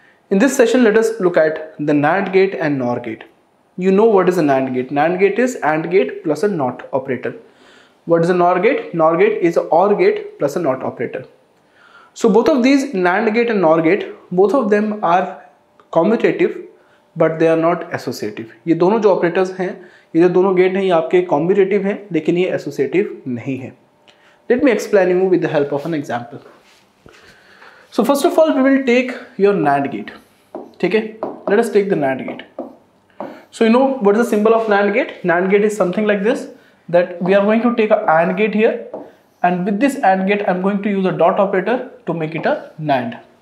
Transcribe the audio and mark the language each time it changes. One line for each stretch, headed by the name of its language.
English: In this session, let us look at the NAND gate and NOR gate. You know what is a NAND gate. NAND gate is AND gate plus a NOT operator. What is a NOR gate? NOR gate is a OR gate plus a NOT operator. So both of these, NAND gate and NOR gate, both of them are commutative, but they are not associative.
Hindi: ये दोनों जो operators हैं, ये जो दोनों gate हैं, ये आपके commutative हैं, लेकिन ये associative नहीं हैं.
English: Let me explain you with the help of an example. So first of all, we will take your NAND gate.
Hindi: ठीक है?
English: Let us take the NAND gate. So you know what is the symbol of NAND gate? NAND gate is something like this. That we are going to take a AND gate here, and with this AND gate, I'm going to use a dot operator to make it a NAND.